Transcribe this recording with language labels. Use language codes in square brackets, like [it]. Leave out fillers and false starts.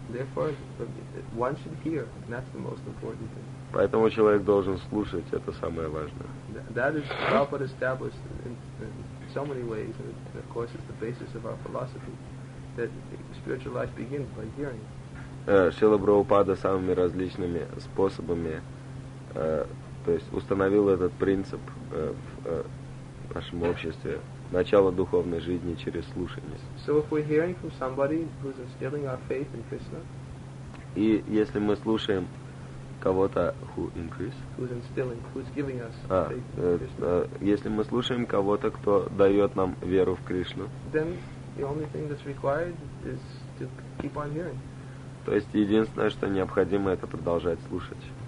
[en] Therefore, one should hear, and that's the most important thing. [ru] Поэтому человек должен слушать, это самое важное. [en] That is Prabhupada established in so many ways, and of course, it's the basis of our philosophy that spiritual life begins by hearing. [ru] Шрила Прабхупада самыми различными способами то есть установил этот принцип в нашем обществе начало духовной жизни через слушание. [en] So if we're hearing from somebody who's instilling our faith in Krishna. [ru] И если мы слушаем кого-то [en] who increase, who's instilling, who's giving us faith in Krishna. [ru] Если мы слушаем кого-то, кто дает нам веру в Кришну. [en] Then the only thing that's required is to keep on hearing. [ru] То есть единственное, что необходимо, это продолжать слушать.